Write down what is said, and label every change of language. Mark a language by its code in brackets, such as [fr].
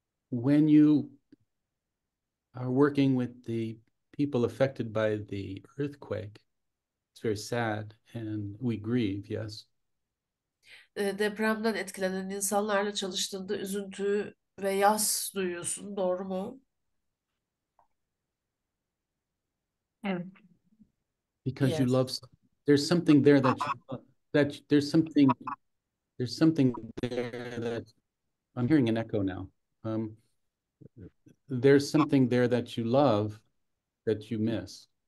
[en] When you are working with the people affected by the earthquake. It's very sad and we grieve, yes. [tr] Depremden etkilenen insanlarla çalıştığında üzüntü ve yas duyuyorsun, doğru mu? Evet. [en] Because yes. You love there's something there that you love. That there's something there that I'm hearing an echo now. There's something there that you love that you miss.